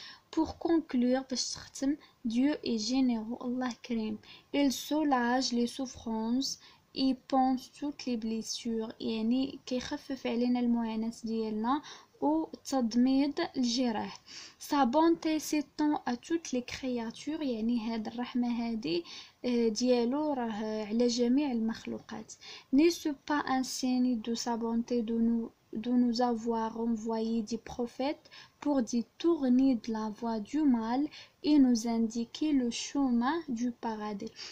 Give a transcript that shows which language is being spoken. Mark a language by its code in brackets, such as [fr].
[fr] Pour conclure, [ar] باش تختم، [fr] Dieu est généreux, [ar] الله كريم. [fr] Il soulage les souffrances et pense toutes les blessures. [ar] يعني كيخفف علينا المعاناة ديالنا و تضميد الجراح. [fr] Sa bonté s'étend à toutes les créatures، [ar] يعني هاد الرحمة هادي ديالو راه على جميع المخلوقات. [fr] N'est-ce pas un signe de sa bonté de nous avoir envoyé des prophètes pour détourner de la voie du mal et nous indiquer le chemin du paradis.